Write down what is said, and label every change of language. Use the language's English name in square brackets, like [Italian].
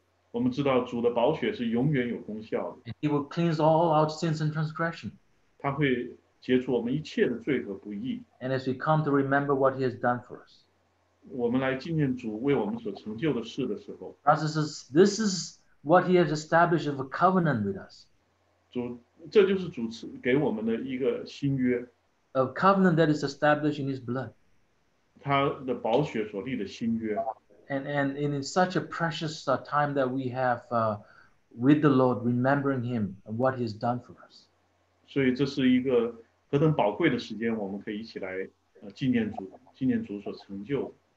[Chinese] 我们知道主的宝血是永远有功效的。 [English] And he will cleanse all our sins and transgression. [Chinese] 他会解除我们一切的罪和不义。 [English] And as we come to remember what he has done for us. [Chinese] 我们来纪念主为我们所成就的事的时候， [English] this is what he has established of a covenant with us. [Chinese] 主，这就是主给我们的一个新约。 [English] A covenant that is established in his blood. [Chinese] 他的宝血所立的新约。 [English] And in such a precious time that we have with the Lord, remembering him and what he has done for us. [Chinese] 所以这是一个何等宝贵的时间，我们可以一起来纪念主，纪念主所成就。